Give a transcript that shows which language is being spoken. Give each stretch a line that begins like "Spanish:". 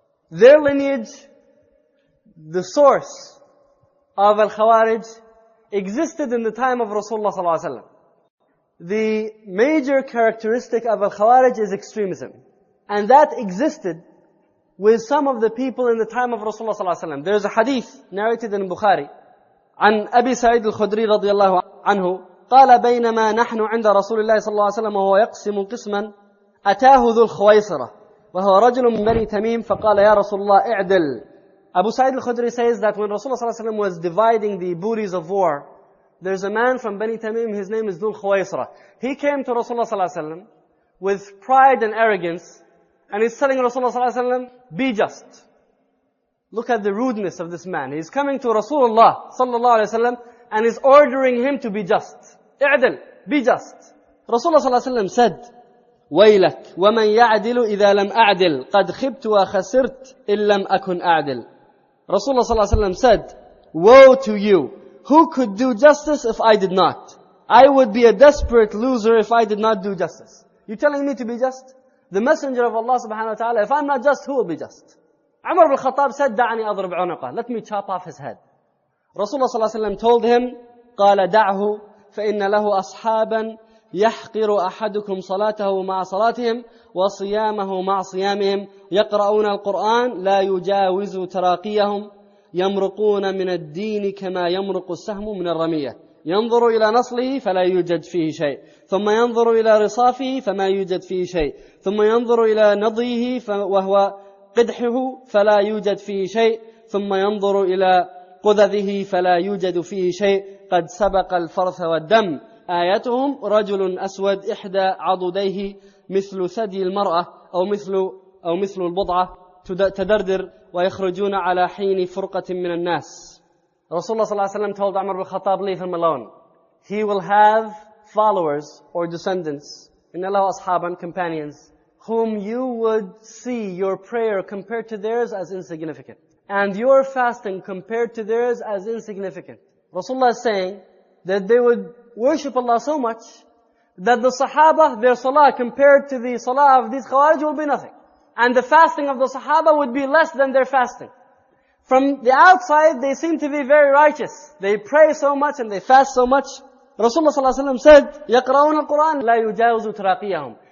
English: Their lineage, the source of Al-Khawarij, existed in the time of Rasulullah صلى الله عليه وسلم. The major characteristic of Al-Khawarij is extremism. And that existed with some of the people in the time of Rasulullah صلى الله عليه وسلم. There is a hadith narrated in Bukhari.
Arabic: عن أبي سعيد الخدري رضي الله عنه قال بينما نحن عند رسول الله صلى الله عليه وسلم وهو يقسم قسما أتاه ذو الخويصرة وهو رجل من بني تميم فقال يا رسول الله اعدل.
English: Abu Sa'id al-Khudri says that when Rasulullah صلى الله عليه وسلم was dividing the booties of war, there's a man from Bani Tamim, his name is Dhul Khwaisra. He came to Rasulullah صلى الله عليه وسلم with pride and arrogance, and he's telling Rasulullah صلى الله عليه وسلم, be just. Look at the rudeness of this man. He's coming to Rasulullah صلى الله عليه وسلم and he's ordering him to be just. اعدل, be just.
Arabic: Rasulullah صلى الله عليه وسلم
English: said,
Arabic: ويلك ومن يعدل إذا لم أعدل قد خبت وخسرت إن لم أكن أعدل.
English: Rasulullah صلى الله عليه وسلم said, woe to you, who could do justice if I did not? I would be a desperate loser if I did not do justice. You're telling me to be just? The Messenger of Allah subhanahu wa ta'ala, if I'm not just, who will be just? Umar ibn al-Khattab said,
Arabic: دعني أضرب عنقه,
English: let me chop off his head.
Arabic: Rasulullah صلى الله عليه وسلم
English: told him,
Arabic: قال دعه فإن له أصحابا يحقر أحدكم صلاته مع صلاتهم وصيامه مع صيامهم يقرؤون القرآن لا يجاوز تراقيهم يمرقون من الدين كما يمرق السهم من الرمية ينظر إلى نصله فلا يوجد فيه شيء ثم ينظر إلى رصافه فما يوجد فيه شيء ثم ينظر إلى نضيه وهو قدحه فلا يوجد فيه شيء ثم ينظر إلى قذذه فلا يوجد فيه شيء قد سبق الفرث والدم آيتهم رجل أسود إحدى عضديه مثل ثدي المرأة أو مثل البضعة تدردر ويخرجون على حين فرقة من الناس.
English: Rasulullah صلى الله عليه وسلم told Umar ibn al-Khattab, leave him alone. He will have followers or descendants,
Arabic: إن له أصحابا,
English: companions, whom you would see your prayer compared to theirs as insignificant, and your fasting compared to theirs as insignificant. Rasulullah is saying that they would worship Allah so much that the Sahaba, their salah compared to the salah of these Khawarij will be nothing. And the fasting of the Sahaba would be less than their fasting. From the outside, they seem to be very righteous. They pray so much and they fast so much.
Arabic: Rasulullah صلى الله عليه وسلم
English: said,
Arabic: يقرؤون القرآن لا يجاوز تراقيهم.